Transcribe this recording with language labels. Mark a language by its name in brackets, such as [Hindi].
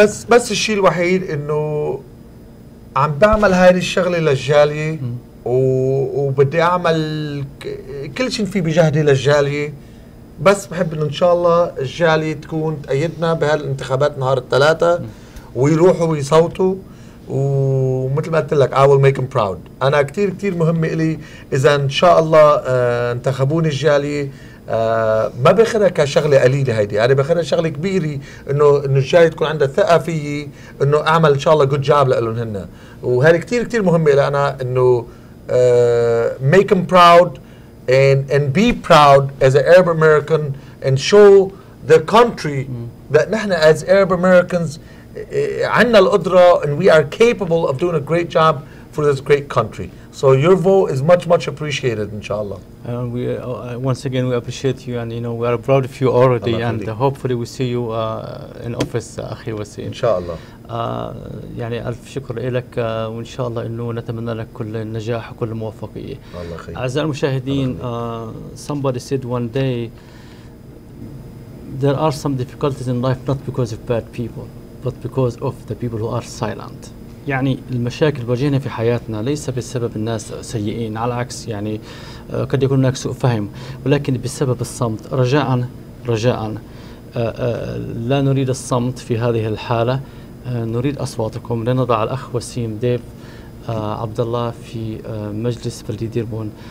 [Arabic] بس الشيء الوحيد انه عم بعمل هذه الشغله للجاليه وبدي اعمل كل شيء في بجهدي للجاليه. بس بحب انه ان شاء الله الجاليه تكون تأيدنا بهالانتخابات نهار الثلاثاء ويروحوا ويصوتوا. ومثل ما قلت لك [English] I will make them proud. [Arabic] أنا كتير كتير مهم إلي إذا إن شاء الله انتخبوني الجالية. ما بخدها كشغلة قليلة هيدي, أنا بخدها شغلة كبيرة إنه الجالية تكون عندها ثقة فيي إنه أعمل إن شاء الله [English] good job [Arabic] لقلن هن. وهذا كتير كتير مهم إلي أنا إنه [English] make them proud and be proud as an Arab American and show the country that [Arabic] نحن [English] as Arab Americans [Arabic] عندنا القدرة [English] and we are capable of doing a great job for this great country. So your vote is much much appreciated inshallah. Once again we appreciate you and you know we are proud of you already and hopefully we see you in office [Arabic] أخي [English] وسيم [Arabic] inshallah. يعني ألف شكر لك وإن شاء الله إنه نتمنى لك كل النجاح وكل الموفقية. أعزائي المشاهدين, [English] somebody said one day there are some difficulties in life not because of bad people but because of the people who are silent. [Arabic] يعني المشاكل بواجهنا في حياتنا ليس بسبب الناس سيئين, على العكس يعني قد يكون هناك سوء فهم, ولكن بسبب الصمت. رجاءً لا نريد الصمت في هذه الحالة, نريد أصواتكم. لنضع الأخ وسيم ديف عبد الله في مجلس بلدي ديربون.